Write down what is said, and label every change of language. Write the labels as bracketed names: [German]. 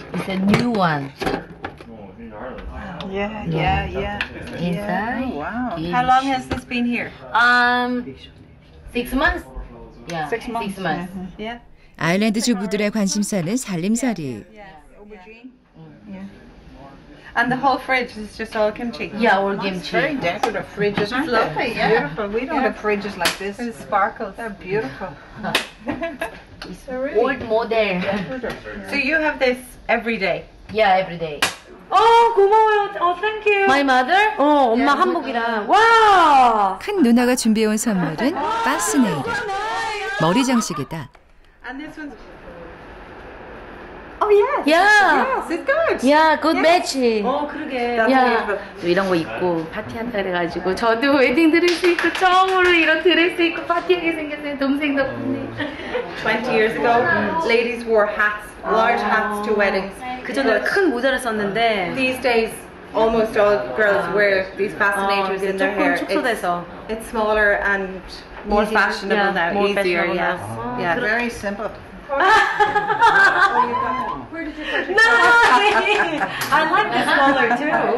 [English] It's a new one. Yeah, yeah, yeah. Inside. Wow. How long has this been here? 6 months. Yeah. 6 months. 6 months. Yeah. [Korean] 아일랜드 주부들의 관심사는 살림살이. [English] Yeah. And the whole fridge is just all kimchi. Yeah, all kimchi. It's very decorative. Fridges are lovely. Yeah. Beautiful. We don't have fridges like this. It sparkles. They're beautiful. It's so really old model. So you have this every day? Yeah, every day. Oh, [Korean] 고마워요. [English] Oh, thank you. My mother? [Korean] 어, 엄마 yeah, 한복이랑. Wow. 큰 누나가 준비해 온 선물은 파스네일. 머리 장식이다. [English] And this one's Oh yes. Yeah. Yes, it's good. Yeah, good match. Yeah. [Korean] 어 그러게. [English] Yeah. [Korean] 이런 거 입고 파티한다 그래가지고 저도 웨딩 드레스 입고 처음으로 이런 드레스 입고 파티하게 생겼어요. 동생 덕분에. [English] 20 years ago, ladies wore hats, large hats to weddings. [Korean] 그 전에 큰 모자를 썼는데. [English] These days. Almost all girls wear these fascinators in their hair. [Korean] 축소돼서. [English] It's smaller and more easier. Fashionable yeah, More easier, fashionable yeah. Now. Oh. Yeah. Very simple. Where did you put it? No! I like the smaller too.